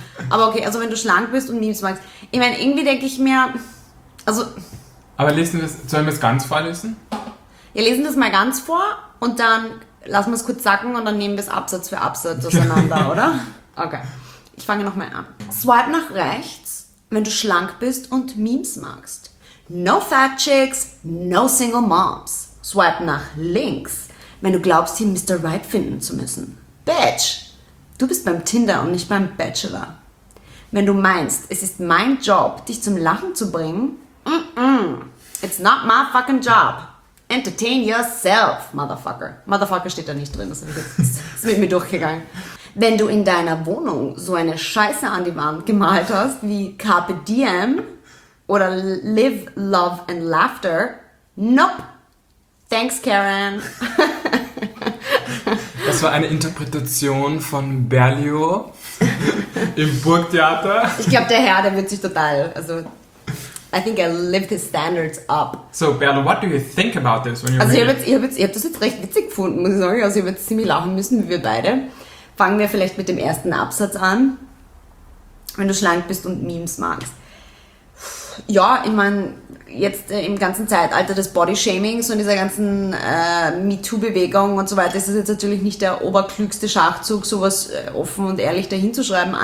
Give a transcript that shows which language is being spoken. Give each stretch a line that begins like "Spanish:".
German: Aber okay, also wenn du schlank bist und Memes magst. Ich meine, irgendwie denke ich mir, also... Aber lesen wir es, sollen wir es ganz vorlesen? Ja, lesen wir es mal ganz vor und dann lassen wir es kurz sacken und dann nehmen wir es Absatz für Absatz auseinander, oder? Okay, ich fange nochmal an. Swipe nach rechts, wenn du schlank bist und Memes magst.
English: No fat chicks, no single moms.
German: Swipe nach links, wenn du glaubst, hier Mr. Right finden zu müssen. Bitch, du bist beim Tinder und nicht beim Bachelor. Wenn du meinst, es ist mein Job, dich zum Lachen zu bringen,
English: it's not my fucking job. Entertain yourself, motherfucker.
German: Motherfucker steht da nicht drin, das ist mit mir durchgegangen. Wenn du in deiner Wohnung so eine Scheiße an die Wand gemalt hast, wie Carpe Diem, oder
English: Live, Love and Laughter. Nope. Thanks, Karen.
German: Das war eine Interpretation von Berlio im Burgtheater. Ich glaube, der Herr, der wird sich total...
English: Also, I think I lived his standards up. So, Berlio, what do you think about this?
German: When also, ich hab das jetzt recht witzig gefunden, muss ich sagen. Also, ich habe jetzt ziemlich lachen müssen, wie wir beide. Fangen wir vielleicht mit dem ersten Absatz an. Wenn du schlank bist und Memes magst. Ja, ich meine, jetzt im ganzen Zeitalter des Bodyshamings und dieser ganzen MeToo-Bewegung und so weiter, ist es jetzt natürlich nicht der oberklügste Schachzug, sowas offen und ehrlich dahinzuschreiben.